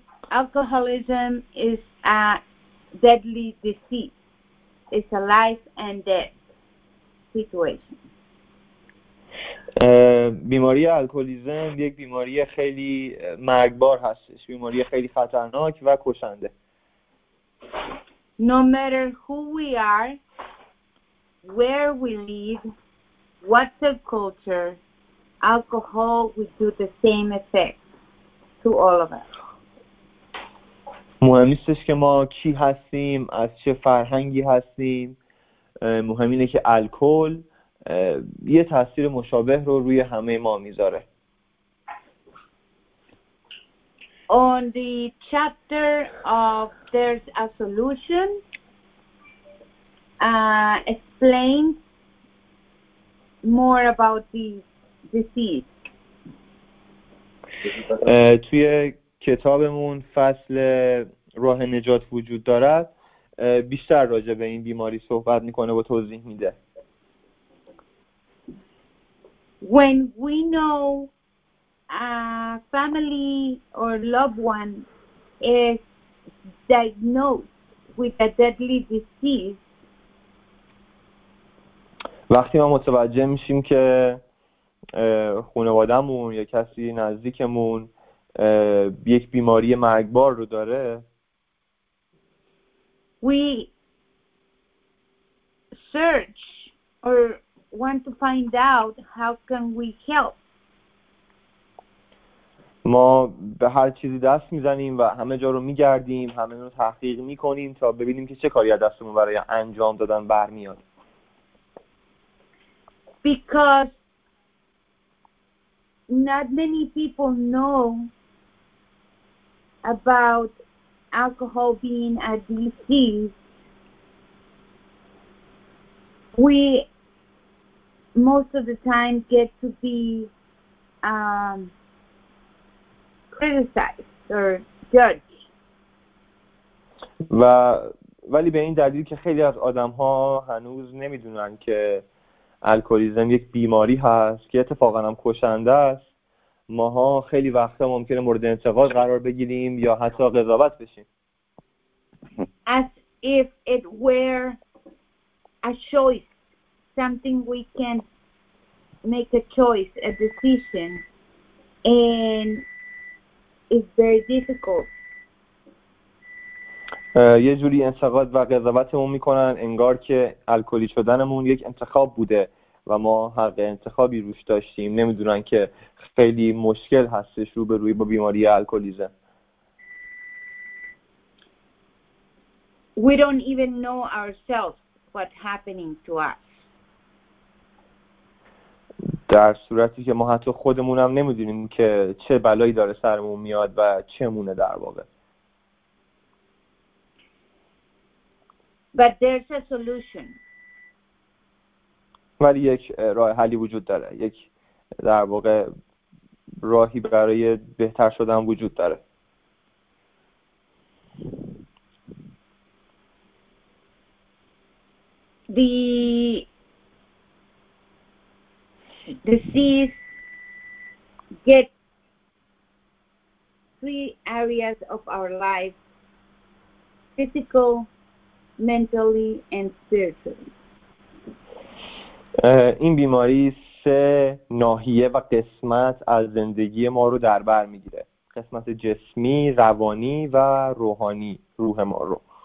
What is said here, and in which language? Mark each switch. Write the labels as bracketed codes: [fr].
[en] alcoholism is a deadly disease. It's a life and death situation. [fa] بیماری الکلیزم یک بیماری خیلی مرگبار هستش، بیماری خیلی خطرناک و کشنده. [en] No matter who we are, where we live, what the culture, alcohol will do the same effect to all of us. [fa] مهم نیستش که ما کی هستیم، از چه فرهنگی هستیم، مهم اینه که الکل یه تأثیر مشابه رو روی همه ما میذاره. [en] On the chapter of there's a solution, explain more about the disease. [fa] توی کتابمون فصل راه نجات وجود دارد، بیشتر راجع به این بیماری صحبت میکنه و توضیح میده. [en] When we know a family or loved one is diagnosed with a deadly disease, [fa] وقتی ما متوجه میشیم که خانوادهمون یا کسی نزدیکمون یک بیماری مرگبار رو داره، [en] we search or want to find out how can we help. [fa] ما به هر چیزی دست میزنیم و همه جا رو میگردیم، همه رو تحقیق میکنیم تا ببینیم که چه کاری از دستمون برای انجام دادن برمیاد. [en] Because not many people know about alcohol being a disease, we most of the time get to be criticized or judged. [fa] و ولی به این دلیل که خیلی از آدم ها هنوز نمیدونن که الکلیزم یک بیماری هست که اتفاقا هم کشنده است، ماها خیلی وقتا ممکنه مورد انتقاد قرار بگیریم یا حتی قضاوت بشیم. [en] As if it were a choice, something we can make a choice, a decision, and it's very difficult. [fa] یه جوری انتقاد و قضاوتمون میکنن انگار که الکلی شدنمون یک انتخاب بوده و ما حق انتخابی روش داشتیم. نمیدونن که خیلی مشکل هستش روبروی با بیماری الکلیزم. [en] We don't even know ourselves what's happening to us. [fa] در صورتی که ما حتی خودمونم نمیدونیم که چه بلایی داره سرمون میاد و چه مونه در واقع. [en] But there's a solution. [fa] ولی یک راه حلی وجود داره، یک در واقع راهی برای بهتر شدن وجود داره. [en] The disease gets three areas of our life: physical, mentally, and spiritually. [fa] این بیماری سه ناحیه و قسمت از زندگی ما رو در بر میگیره. قسمت جسمی، روانی و روحانی، روح ما رو.